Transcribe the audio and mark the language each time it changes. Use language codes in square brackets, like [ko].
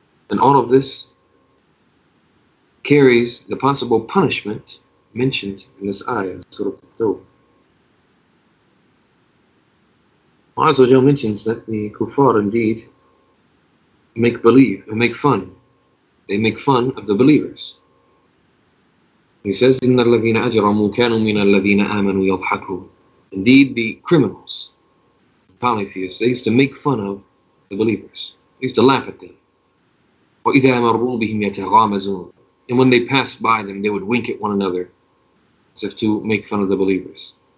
[en] And all of this carries the possible punishment mentioned in this ayah, Surah At-Tawbah. Allah Azza wa Jalla mentions that the kuffar indeed make believe and make fun. They make fun of the believers. He says, [ar] إِنَّ الَّذِينَ أَجْرَمُوا كَانُوا مِنَ الَّذِينَ آمَنُوا يَضْحَكُونَ. [en] Indeed, the criminals, the polytheists, they used to make fun of the believers. They used to laugh at them. [ar] وَإِذَا مَرُّوا بِهِمْ يَتَغَامَزُونَ. [en] And when they passed by them, they would wink at one another as if to make fun of the believers.